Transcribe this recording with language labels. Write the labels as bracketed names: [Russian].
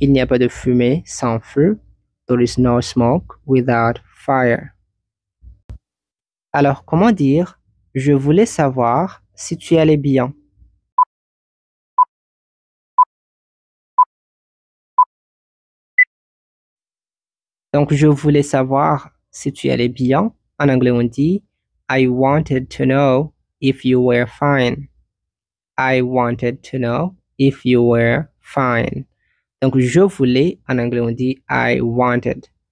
[French] Il n'y a pas de fumée sans feu. « [English] There is no smoke without fire ». [French] Alors, comment dire « je voulais savoir si tu allais bien ». Donc, je voulais savoir si tu allais bien. En anglais, on dit [English] I wanted to know if you were fine. I wanted to know if you were fine. [French] Donc, je voulais, en anglais, on dit [English] I wanted.